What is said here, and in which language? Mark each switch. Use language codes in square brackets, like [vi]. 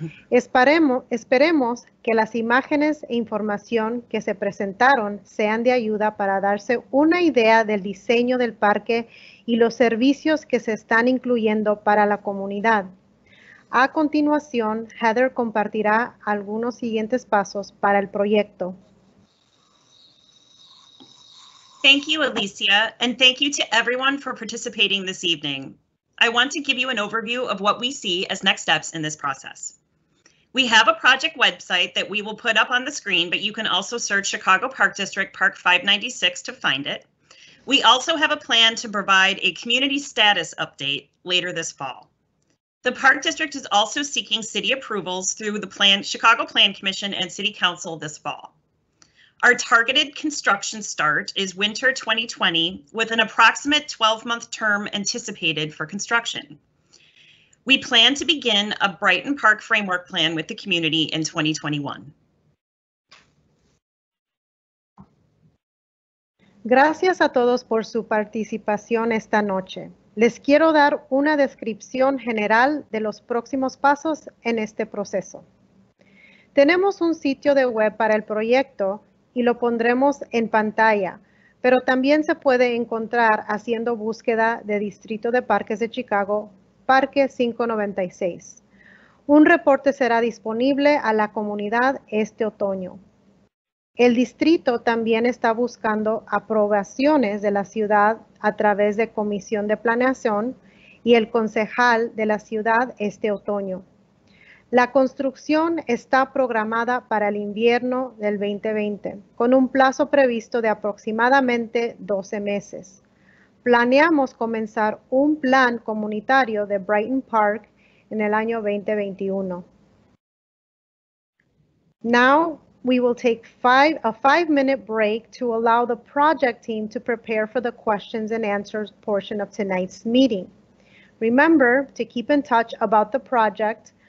[es] Esperemos que las imágenes e información que se presentaron sean de ayuda para darse una idea del diseño del parque y los servicios que se están incluyendo para la comunidad. A continuación, Heather compartirá algunos siguientes pasos para el proyecto. [en] Thank you, Alicia, and thank you to everyone for participating this evening. I want to give you an overview of what we see as next steps in this process. We have a project website that we will put up on the screen, but you can also search Chicago Park District Park 596 to find it. We also have a plan to provide a community status update later this fall. The Park District is also seeking city approvals through the Chicago Plan Commission and City Council this fall. Our targeted construction start is winter 2020 with an approximate 12-month term anticipated for construction. We plan to begin a Brighton Park framework plan with the community in 2021. [es] Gracias a todos por su participación esta noche. Les quiero dar una descripción general de los próximos pasos en este proceso. Tenemos un sitio de web para el proyecto y lo pondremos en pantalla, pero también se puede encontrar haciendo búsqueda de Distrito de Parques de Chicago, Parque 596. Un reporte será disponible a la comunidad este otoño. El distrito también está buscando aprobaciones de la ciudad a través de Comisión de Planeación y el concejal de la ciudad este otoño. La construcción está programada para el invierno del 2020, con un plazo previsto de aproximadamente 12 meses. Planeamos comenzar un plan comunitario de Brighton Park en el año 2021. [en] Now, we will take a five-minute break to allow the project team to prepare for the questions and answers portion of tonight's meeting. Remember to keep in touch about the project.